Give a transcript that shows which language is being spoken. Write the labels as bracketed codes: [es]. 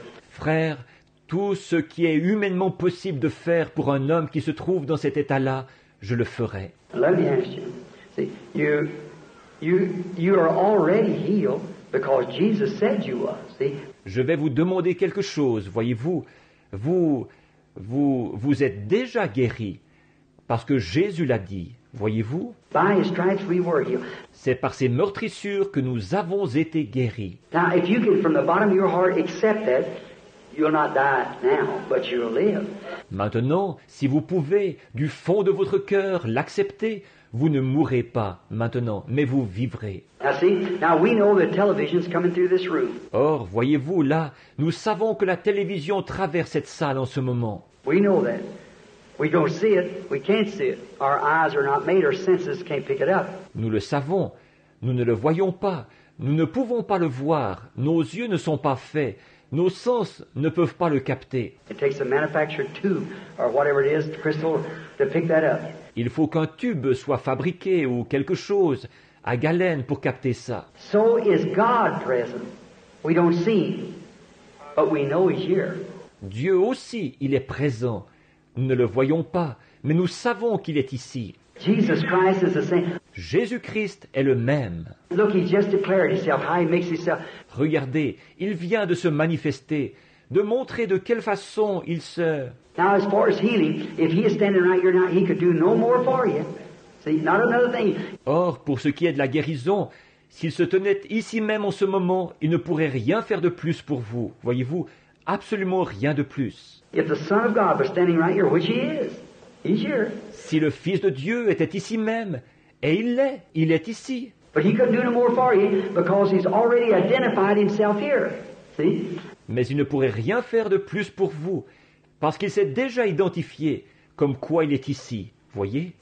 [fr] Frère, tout ce qui est humainement possible de faire pour un homme qui se trouve dans cet état-là, je le ferai. [en] Let me ask you. See, You are already healed because Jesus said you are. See? [fr] Je vais vous demander quelque chose, voyez-vous. Vous êtes déjà guéri parce que Jésus l'a dit, voyez-vous. [en] By his stripes we were healed. [fr] C'est par ses meurtrissures que nous avons été guéris. [en] Now, if you can from the bottom of your heart accept that, you'll not die now, but you'll live. [fr] Maintenant, si vous pouvez du fond de votre cœur l'accepter, vous ne mourrez pas maintenant, mais vous vivrez. [en] Now see, now we know the television's coming through this room. [fr] Or, voyez-vous, là, nous savons que la télévision traverse cette salle en ce moment. [en] We know that. We don't see it. We can't see it. Our eyes are not made. Our senses can't pick it up. [fr] Nous le savons. Nous ne le voyons pas. Nous ne pouvons pas le voir. Nos yeux ne sont pas faits. Nos sens ne peuvent pas le capter. [en] It takes a manufactured tube or whatever it is, the crystal, to pick that up. [fr] Il faut qu'un tube soit fabriqué ou quelque chose à galène pour capter ça. [en] So is God present. We don't see, but we know he's here. [fr] Dieu aussi, il est présent. Nous ne le voyons pas, mais nous savons qu'il est ici. [en] Jesus Christ is the same. [fr] Jésus-Christ est le même. [en] Look, he just declared himself, how he makes himself. [fr] Regardez, il vient de se manifester, de montrer de quelle façon il se... [en] Now, as far as healing, if he is standing right here now, he could do no more for you. See, not another thing. [fr] Or, pour ce qui est de la guérison, s'il se tenait ici même en ce moment, il ne pourrait rien faire de plus pour vous. Voyez-vous, absolument rien de plus. [en] If the Son of God were standing right here, which he is, he's here. [fr] Si le Fils de Dieu était ici même, et il est ici. [en] But he couldn't do no more for you because he's already identified himself here. See? [fr] Mais il ne pourrait rien faire de plus pour vous. Parce qu'il s'est déjà identifié comme quoi il est ici, voyez.